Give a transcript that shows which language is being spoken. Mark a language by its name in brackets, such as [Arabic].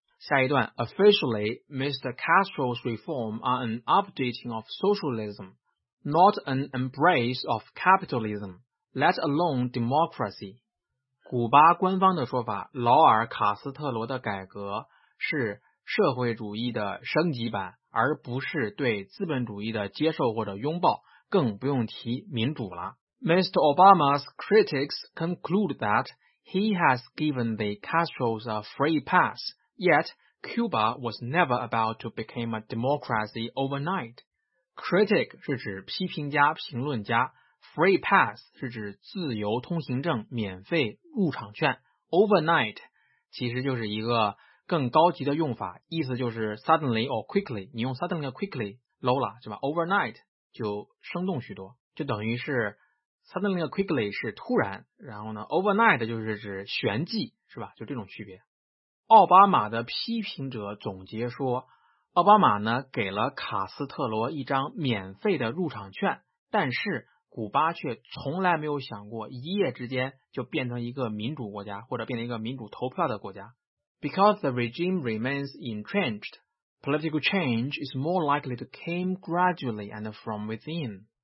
[Chinese] 下一段 [English] ，Officially, Mr. Castro's reform are an updating of socialism, not an embrace of capitalism, let alone democracy. [Chinese] 古巴官方的说法，劳尔·卡斯特罗的改革是社会主义的升级版，而不是对资本主义的接受或者拥抱，更不用提民主了。 [English] Mr. Obama's critics conclude that he has given the Castros a free pass, yet Cuba was never about to become a democracy overnight. [Chinese] Critic 是指批评家、评论家， free pass 是指自由通行证、免费入场券。 Overnight 其实就是一个更高级的用法，意思就是 [English] suddenly or quickly， [Chinese] 你用 suddenly or quickly low 了是吧， overnight 就生动许多，就等于是 [English] Suddenly or quickly [Chinese] 是突然，然后呢 overnight 就是指旋即，是吧，就这种区别。奥巴马的批评者总结说，奥巴马呢给了卡斯特罗一张免费的入场券，但是古巴却从来没有想过一夜之间就变成一个民主国家，或者变成一个民主投票的国家。 [English] Because the regime remains entrenched, political change is more likely to come gradually and from within.